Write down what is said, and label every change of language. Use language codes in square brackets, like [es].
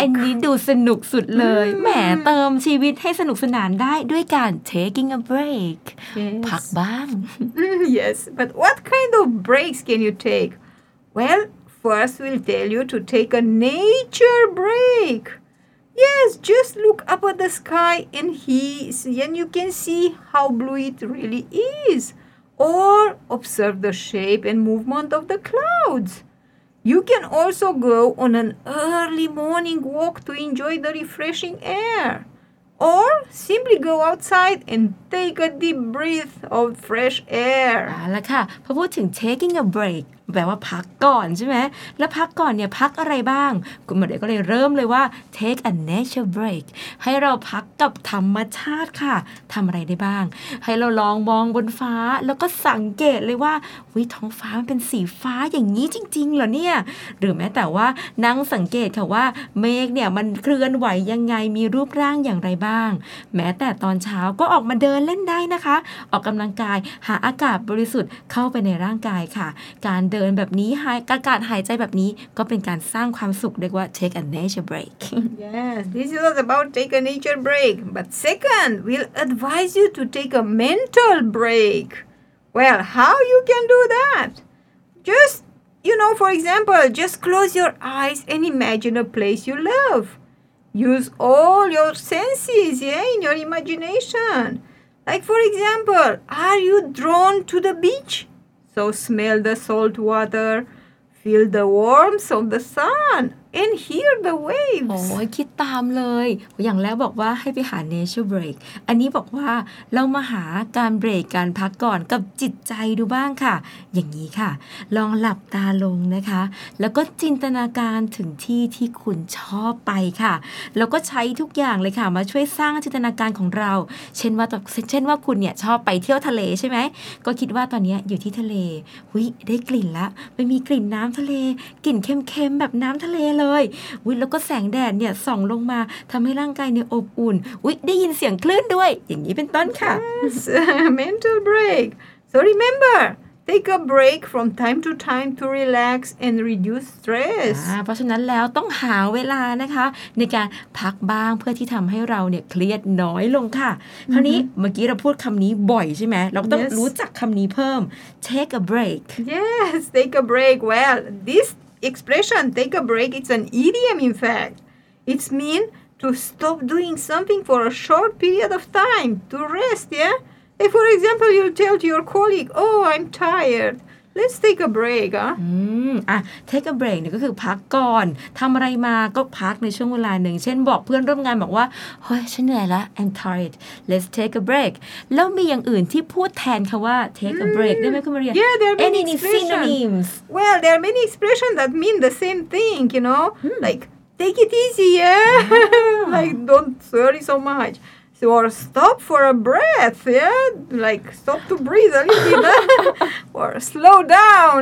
[th] อันนี้ดูสนุกสุดเลย แหมเติมชีวิตให้สนุกสนานได้ด้วยการ [en] taking a break. Yes. [th] พักบ้าง [en] Yes, but what kind of breaks can you take? Well, first we'll tell you to take a nature break. Yes, just look up at the sky and you can see how blue it really is. Or observe the shape and movement of the clouds. You can also go on an early morning walk to enjoy the refreshing air. Or simply go outside and take a deep breath of fresh air. [th] อ่าล่ะค่ะพอพูดถึง [en] taking a break [th] แปลว่าพักก่อนใช่ไหมแล้วพักก่อนเนี่ยพักอะไรบ้างคุณหมอเด็กก็เลยเริ่มเลยว่า [en] take a nature break [th] ให้เราพักกับธรรมชาติค่ะทำอะไรได้บ้างให้เราลองมองบนฟ้าแล้วก็สังเกตเลยว่าวิท้องฟ้ามันเป็นสีฟ้าอย่างนี้จริงๆเหรอเนี่ย หรือแม้แต่ว่านั่งสังเกตค่ะว่าเมฆเนี่ยมันเคลื่อนไหวยังไงมีรูปร่างอย่างไรบ้างแม้แต่ตอนเช้าก็ออกมาเดินเล่นได้นะคะออกกำลังกายหาอากาศบริสุทธิ์เข้าไปในร่างกายค่ะการเดินแบบนี้อากาศหายใจแบบนี้ก็เป็นการสร้างความสุขเรียกว่า [en] take a nature break yes this is all about take a nature break but second we'll advise you to take a mental break well how you can do that just you know for example just close your eyes and imagine a place you love use all your senses yeah in your imagination like for example are you drawn to the beachSo smell the salt water, feel the warmth of the sun, and hear the waves [th] โอ้ยคิดตามเลยอย่างแล้วบอกว่าให้ไปหา [en] nature break [th] อันนี้บอกว่าเรามาหาการเบรกการพักก่อนกับจิตใจดูบ้างค่ะอย่างนี้ค่ะลองหลับตาลงนะคะแล้วก็จินตนาการถึงที่ที่คุณชอบไปค่ะแล้วก็ใช้ทุกอย่างเลยค่ะมาช่วยสร้างจินตนาการของเราเช่นว่า คุณเนี่ยชอบไปเที่ยวทะเลใช่ไหมก็คิดว่าตอนนี้อยู่ที่ทะเลหุยได้กลิ่นละไปมีกลิ่นน้ำทะเลกลิ่นเค็มๆแบบน้ำทะเลเลยหุยแล้วก็แสงแดดเนี่ยส่องลงมาทำให้ร่างกายเนี่ยอบอุ่นหุยได้ยินเสียงคลื่นด้วยอย่างนี้เป็นต้นค่ะ [en] Yes, mental break so rememberTake a break from time to time to relax and reduce stress. [th] เพราะฉะนั้นแล้วต้องหาเวลานะคะในการพักบ้างเพื่อที่ทำให้เราเนี่ยเครียดน้อยลงค่ะคราวนี้เมื่อกี้เราพูดคำนี้บ่อยใช่ไหมเราต้อง [en] yes. [th] รู้จักคำนี้เพิ่ม [en] Take a break. Yes, take a break. Well, this expression, take a break, it's an idiom in fact. It means to stop doing something for a short period of time, to rest, yeah? If, for example, you tell to your colleague, "Oh, I'm tired. Let's take a break." Take a break. [th] เนี่ยก็คือพักก่อนทำอะไรมาก็พักในช่วงเวลาหนึ่งเช่นบอกเพื่อนร่วมงานบอกว่าเฮ้ยฉันเหนื่อยละ [en] I'm tired. Let's take a break. [th] แล้วมีอย่างอื่นที่พูดแทนคำว่า [en] take a break [th] ได้ไหมคุณมาเรีย [en] Yeah, there are many synonyms. Well, there are many expressions that mean the same thing. You know, like take it easy, yeah. like don't worry so much. Or stop for a breath, yeah? Like, stop to breathe a little bit, or slow down,